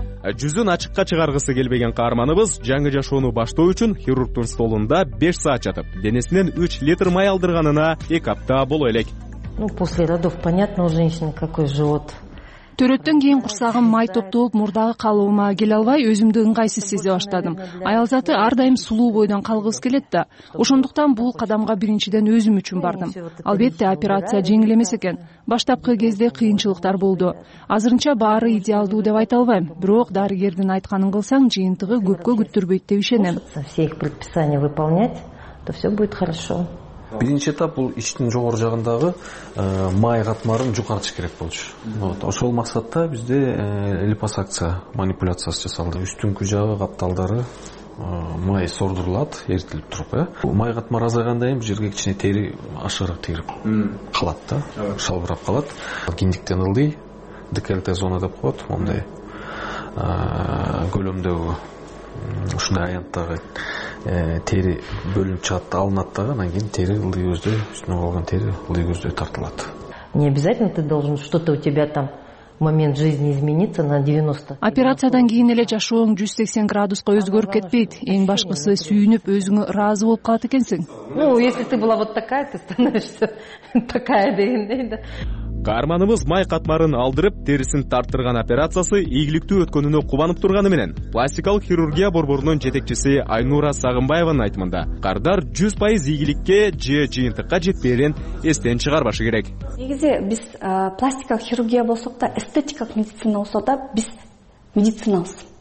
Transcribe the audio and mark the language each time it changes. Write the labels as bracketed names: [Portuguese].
[Kyrgyz] Жүзүн ачыкка чыгаргысы келбеген каарманыбыз жаңы жашоону баштоо үчүн хирургтун столунда 5 саат жатып, денесинен 3 литр май алдырганына 2 апта боло элек. [Russian] Ну, после родов понятно, у женщины какой живот. [Kyrgyz] Төрөттөн кийин курсагым май топтоп, мурдагы калыбыма келе албай, өзүмдү ыңгайсыз сезе баштадым. Аял заты ар дайым сулуу бойдон калгыбыз келет да. Ошондуктан бул кадамга биринчиден өзүм үчүн бардым. Албетте, операция жеңил эмес экен. Баштапкы кезде кыйынчылыктар болду. Азырынча баары идеалдуу деп айта албайм, бирок дарыгердин айтканын кылсаң, жыйынтыгы көпкө күттүрбөйт деп ишенем. [Russian] Все их предписания выполнять, то все будет хорошо. [Kyrgyz] Биринчи этап бул ичтин жогору жагындагы май катмарын жукартыш керек болчу. Вот, ошол максатта бизде липосакция манипуляциясы жасалды. Үстүңкү жагы капталдары май сордурулат, эритилип туруп, э. Май катмары азайгандан кийин жерге кичине тери ашыгырак тигирип калат да, шалбырап калат. Киндиктен ылдый декольте зона деп коет, мындай көлөмдөгү ушундай аянттагы тери бөлүнүп чыгат да, алынат дагы, анан кийин тери ылдый көздөй, үстүнө калган тери ылдый көздөй тартылат. [Russian] Не обязательно ты должен что-то у тебя там момент жизни измениться на 90. [Kyrgyz] Операциядан кийин эле жашооң 180 градуска өзгөрүп кетпейт. Эң башкысы сүйүнүп өзүңө ыраазы болуп калат экенсиң. [Russian] Ну, если ты была вот такая, ты становишься такая [Kyrgyz] дегендей да. Каарманыбыз май катмарын алдырып, терисин тарттырган операциясы ийгиликтүү өткөнүнө кубанып турганы менен, пластикалык хирургия борборунун жетекчиси Айнура Сагынбаеванын айтымында, кардар 100% ийгиликке же жыйынтыкка жетпээрин эстен чыгарбашы керек. Негизи биз пластикалык хирургия болсок да, эстетикалык медицина болсо да, биз медициналыз.